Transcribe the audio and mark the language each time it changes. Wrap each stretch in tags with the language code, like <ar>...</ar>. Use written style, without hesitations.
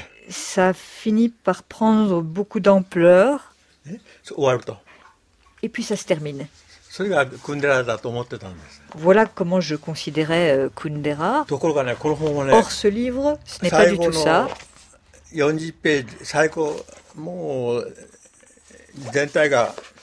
<fr>ça finit par prendre beaucoup d'ampleur. Et puis ça se termine.</fr> <ja>それがクンデラだと思ってたんです。</ja> <fr>Voilà comment je considérais Kundera.</fr> <ja>ところがね、この本はね、</ja> <fr>Or, ce livre, ce n'est pas du tout ça.</fr> <ja>40ページ、最高、もう全体が</ja>